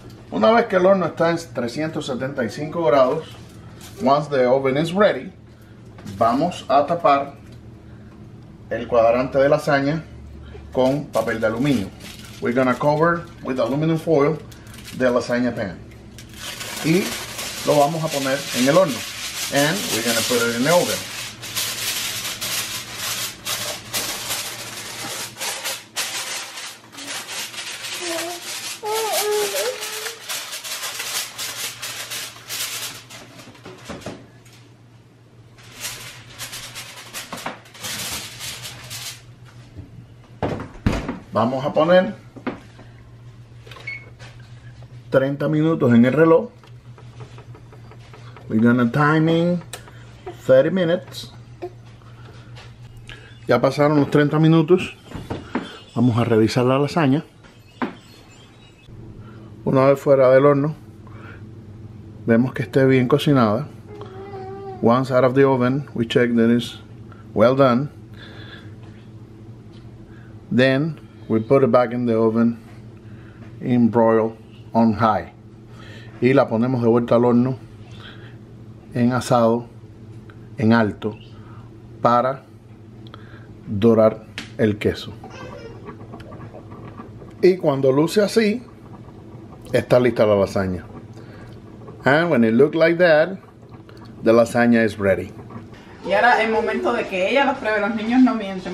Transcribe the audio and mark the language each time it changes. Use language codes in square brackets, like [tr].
[es] Una vez que el horno está en 375 grados, [en] once the oven is ready, [es] vamos a tapar el cuadrante de lasaña con papel de aluminio. [en] We're gonna cover with aluminum foil the lasagna pan. [es] Y lo vamos a poner en el horno. [en] And we're gonna put it in the oven. [es] Vamos a poner 30 minutos en el reloj. [en] We're gonna timing 30 minutes. [es] Ya pasaron los 30 minutos. Vamos a revisar la lasaña. Una vez fuera del horno, vemos que esté bien cocinada. [en] Once out of the oven, we check that it's well done. Then we put it back in the oven in broil on high. [es] Y la ponemos de vuelta al horno en asado en alto para dorar el queso. Y cuando luce así, está lista la lasaña. [en] And when it looks like that, the lasagna is ready. [es] Y ahora el momento de que ella lo pruebe, los niños no mienten.